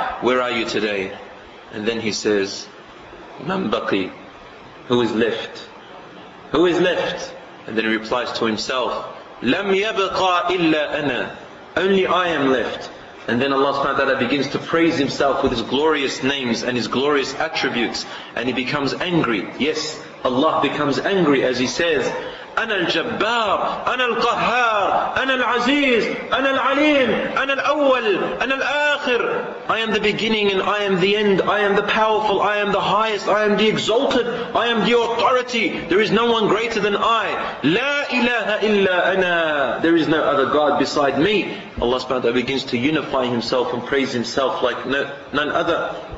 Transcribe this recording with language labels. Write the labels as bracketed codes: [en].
[en] Where are you today? And then He says, [ar] Man baqi? [en] Who is left? Who is left? And then He replies to Himself, [ar] Lam yabqa illa ana. [en] Only I am left. And then Allah subhanahu wa ta'ala begins to praise Himself with His glorious names and His glorious attributes. And He becomes angry. Yes, Allah becomes angry as He says, [ar] أَنَا الْجَبَّارُ أَنَا الْقَهَّارُ أَنَا الْعَزِيزُ أَنَا الْعَلِيمُ أَنَا الْأَوَّلُ أَنَا الْآخِرُ. [en] I am the beginning and I am the end. I am the powerful, I am the highest, I am the exalted, I am the authority. There is no one greater than I. [ar] لَا إِلَهَ إِلَّا أَنَا. [en] There is no other God beside me. Allah subhanahu wa ta'ala begins to unify Himself and praise Himself like none other.